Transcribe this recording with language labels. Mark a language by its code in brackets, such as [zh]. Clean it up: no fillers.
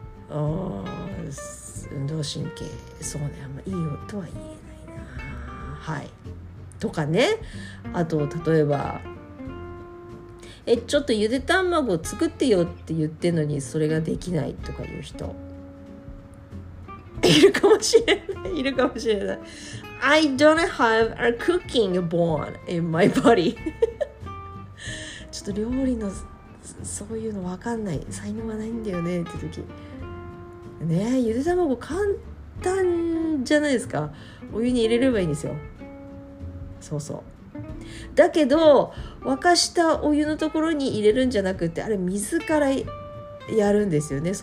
[ja] 運動神経そうね、あんまいいよとは言えないな。はい。とかね、あと例えば、ちょっとゆで卵を作ってよって言ってんのにそれができないとかいう人いるかもしれない、いるかもしれない。 [en] I don't have a cooking bone in my body. [ja] ちょっと料理のそういうの分かんない、才能がないんだよねって時。ね、ゆで卵簡単じゃないですか。お湯に入れればいいんですよ。そうそう。だけど沸かしたお湯のところに入れるんじゃなくて、あれ水からやるんですよね。